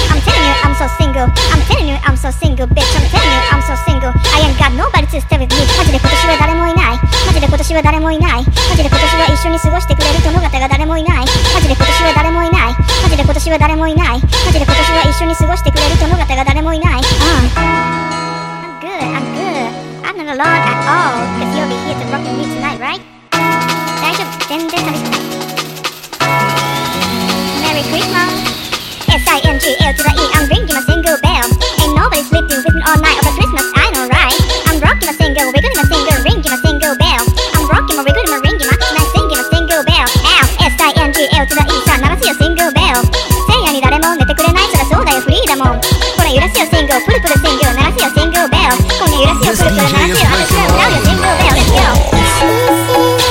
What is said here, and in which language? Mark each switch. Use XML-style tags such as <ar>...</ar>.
<en>I'm telling you, I'm so single. I'm telling you, I'm so single, bitch. I'm telling you, I'm so single. I ain't got nobody to stay with me.</en> <ja>マジで今年は誰もいない。マジで今年は誰もいない。マジで今年は一緒に過ごしてくれる友達が誰もいない。マジで今年は誰もいない。マジで今年は誰もいない。マジで今年は一緒に過ごしてくれる友達が誰もいない。</ja> <en>I'm good, I'm good. I'm not alone at all. Cause you'll be here to rock with me tonight, right?</en> <ja>大丈夫、全然寂しくない。</ja> <en>Merry Christmas! S-I-N-G-L to the E, I'm ringing my single bell. Ain't nobody sleeping with me all night over Christmas, I know right. I'm rocking my single, wiggling my single, ringing my single bell. I'm rocking my wiggling my ringing my singing my single bell. Ow! S-I-N-G-L to the E,</en> <ja>さあ鳴らすよ</ja> <en>single bell.</en> <ja>千夜に誰も寝てくれないそらそうだよフリーだもん。ほら揺らすよ single, プルプル single, 鳴らすよ</ja> <en>single bell.</en> <ja>今夜揺らすよプルプル鳴らすよ私ら歌うよ</ja> <en>single bell, let's go!</en>